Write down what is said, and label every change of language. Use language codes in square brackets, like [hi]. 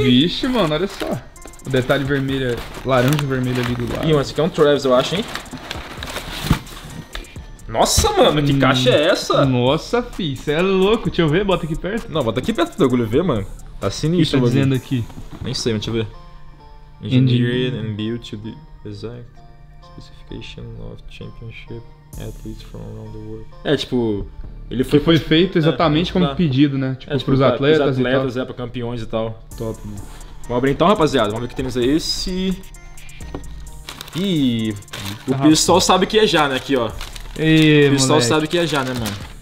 [pt] Vixe, mano, olha só. O detalhe vermelho, laranja vermelho ali do lado. Ih, mas esse aqui é um Travis, eu acho, hein? Nossa, mano, que caixa é essa? Nossa, fi, você é louco. Deixa eu ver, bota aqui perto. Não, bota aqui perto do orgulho, vê, mano. Tá sinistro. O que tá dizendo aqui? Nem sei, mas deixa eu ver. [en] Engineering and built to the exact specification of championship athletes from around the world. [pt] É, tipo... Ele foi, feito exatamente como pedido, né? Tipo, pros atletas e tal. Atletas, pra campeões e tal. Top, mano. Vamos abrir então, rapaziada. Vamos ver que tênis é esse. Ih, o pessoal sabe que é já, né? Aqui, ó. Ei, o pessoal sabe que é já, né, mano?